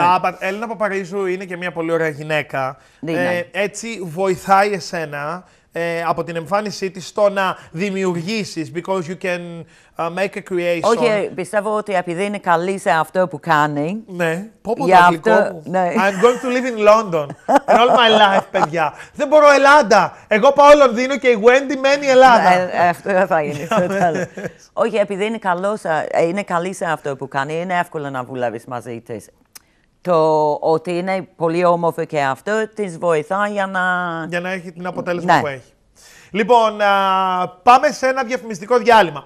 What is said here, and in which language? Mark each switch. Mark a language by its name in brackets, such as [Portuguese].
[Greek] Α, Έλενα Παπαρίζου είναι και μια πολύ ωραία γυναίκα. Ναι, ναι. Έτσι βοηθάει εσένα από την εμφάνισή της στο να δημιουργήσεις, [English] because you can make a creation. [Greek] Όχι, πιστεύω ότι επειδή είναι καλή σε αυτό που κάνει. Ναι, πω πω το αγγλικό αυτό, ναι. [English] I'm going to live in London and all my life, [Greek] παιδιά. Δεν μπορώ Ελλάδα. Εγώ πάω Λονδίνο και η Wendy μένει Ελλάδα. Αυτό θα γίνει. Όχι, επειδή είναι, είναι καλή σε αυτό που κάνει, είναι εύκολο να δουλεύεις μαζί της. Το ότι είναι πολύ όμορφο και αυτό της βοηθά για να... Για να έχει την αποτέλεσμα ναι. που έχει. Λοιπόν, πάμε σε ένα διαφημιστικό διάλειμμα.